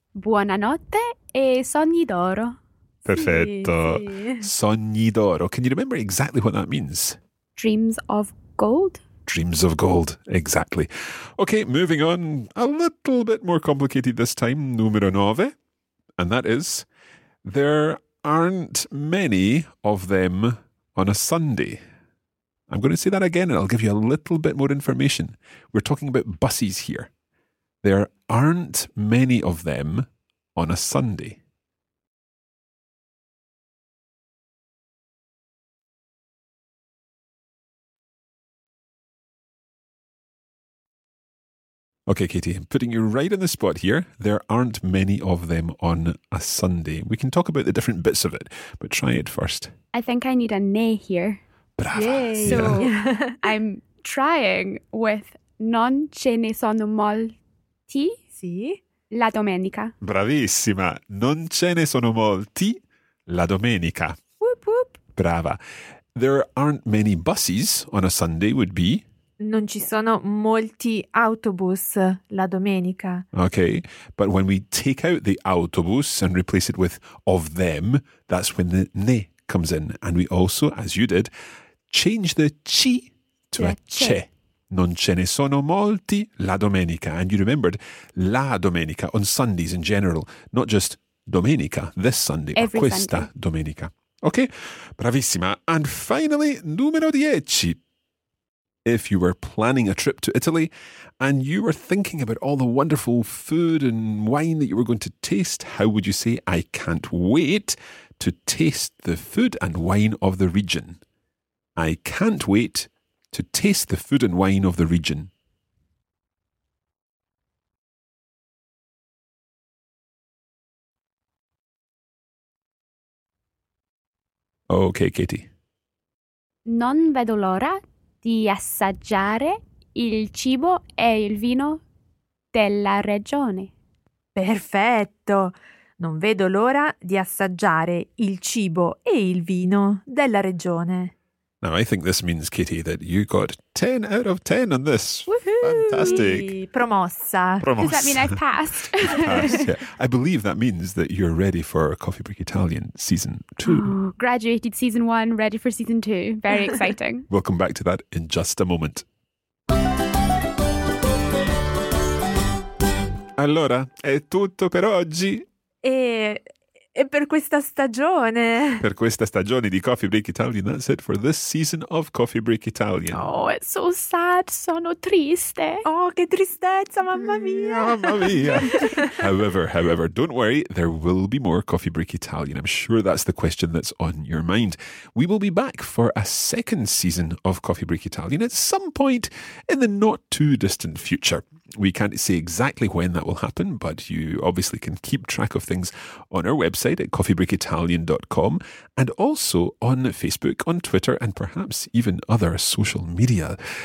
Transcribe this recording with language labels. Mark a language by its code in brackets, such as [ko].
[it] Buonanotte e sogni d'oro. Perfetto. Sì. Sogni d'oro. [en] Can you remember exactly what that means? Dreams of gold. Dreams of gold. Exactly. Okay, moving on. A little bit more complicated this time. [it] Numero nove. [en] And that is, there aren't many of them on a Sunday. I'm going to say that again and I'll give you a little bit more information. We're talking about buses here. There aren't many of them on a Sunday. Okay, Katie, putting you right on the spot here. There aren't many of them on a Sunday. We can talk about the different bits of it, but try it first. I think I need a ne here. [it] Brava. Yay. [en] So yeah. I'm trying with [it] non ce ne sono molti sì. La domenica. Bravissima. Non ce ne sono molti la domenica. [en] Whoop, whoop. [it] Brava. [en] There aren't many buses on a Sunday would be... [it] Non ci sono molti autobus la domenica. [en] Okay, but when we take out the autobus and replace it with of them, that's when the ne comes in. And we also, as you did, change the ci to a ce. [it] Non ce ne sono molti la domenica. [en] And you remembered [it] la domenica [en] on Sundays in general, not just domenica, this Sunday, every [it] or questa [en] Sunday. [it] Domenica. Okay, bravissima. [en] And finally, [it] numero dieci. [en] If you were planning a trip to Italy and you were thinking about all the wonderful food and wine that you were going to taste, how would you say, I can't wait to taste the food and wine of the region? I can't wait to taste the food and wine of the region. Okay, Katie. [it] Non vedo l'ora di assaggiare il cibo e il vino della regione. Perfetto! Non vedo l'ora di assaggiare il cibo e il vino della regione. [en] Now, I think this means, Kitty, that you got 10 out of 10 on this. Woohoo! Fantastic! [it] Promossa! Promossa! [en] Does that mean I passed? Passed, yeah. I believe that means that you're ready for Coffee Break Italian season 2. Ooh, graduated season 1, ready for season 2. Very exciting. We'll come back to that in just a moment. [it] Allora, è tutto per oggi. E per questa stagione. Per questa stagione di Coffee Break Italian. [en] That's it for this season of Coffee Break Italian. Oh, it's so sad. [it] Sono triste. Oh, che tristezza, mamma mia. Mamma mia. [en] However, don't worry. There will be more Coffee Break Italian. I'm sure that's the question that's on your mind. We will be back for a second season of Coffee Break Italian at some point in the not too distant future. We can't say exactly when that will happen, but you obviously can keep track of things on our website at coffeebreakitalian.com and also on Facebook, on Twitter, and perhaps even other social media.